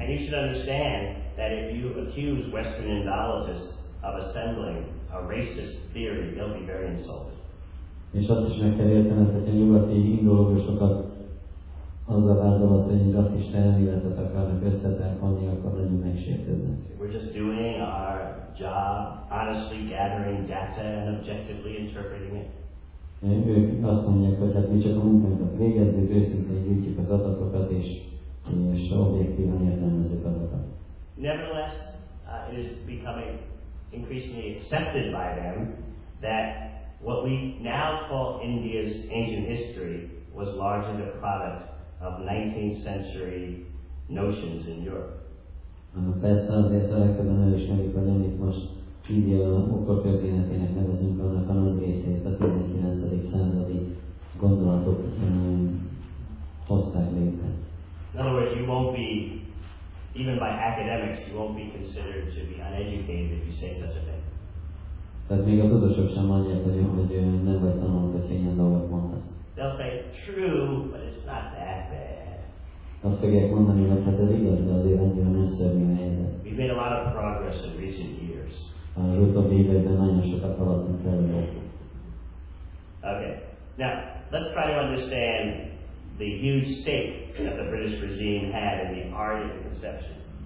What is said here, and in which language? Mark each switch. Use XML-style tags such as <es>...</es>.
<en>And you should understand that if you accuse Western Indologists of assembling a racist theory, they'll be very insulted.</en> <hu>És azt is meg kell értened, hogy a nyugati indológusokat az a vádolat, hogy egy rasszista elméletet akarnak összetenni, akkor nagyon megsértődnek.</hu> <en>We're just doing our job, honestly gathering data and objectively interpreting it.</en> <hu>Ők azt mondják, hogy hát mi csak a munkánkat végezzük, őszintén gyűjtjük az adatokat, és objektívan értelmezzük adatokat.</hu> <en>Nevertheless, it is becoming increasingly accepted by them that what we now call India's ancient history was largely the product of 19th century notions in Europe.</en> <hu>Persze azért a legtöbben elismerik, hogy amit most India ókortörténetének nevezünk, annak a nagy részét a 19. századi gondolatok hozták létre.</hu> <en>In other words, you won't be, even by academics, you won't be considered to be uneducated if you say such a thing.</en> <hu>Tehát még a tudósok sem mondják, hogy nem vagy tanulunk, hogy fényen dolgot mondasz.</hu> <en>They'll say, true, but it's not that bad.</en> <hu>Azt fogják mondani, hogy hát ez igaz, de azért annyira nem szörnyű helyzet.</hu> <en>We've made a lot of progress in recent years.</en> <hu>Az utóbbi években nagyon sokat haladtunk előre.</hu> <en>Okay. Now, let's try to understand the huge stake that the British regime had in the Aryan conception.</en>